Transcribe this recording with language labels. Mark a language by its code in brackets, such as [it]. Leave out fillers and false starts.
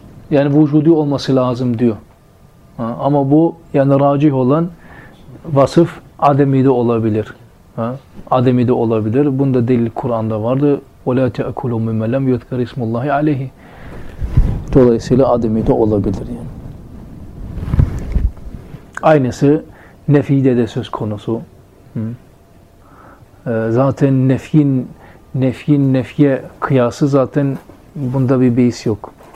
[tr] Yani vücudu olması lazım diyor. Ha. Ama bu yani racih olan vasıf ademi de olabilir. Ademi de olabilir. Bunda delil Kur'an'da vardı. [ar] وَلَا تَأَكُلُوا مِمَّا لَمْ يُذْكَرِ اسْمُ اللّٰهِ عَلَيْهِ [tr] Dolayısıyla ademi de olabilir. Yani. Aynısı nefide de söz konusu. Zaten nefyin nefye kıyası zaten bunda bir beis yok.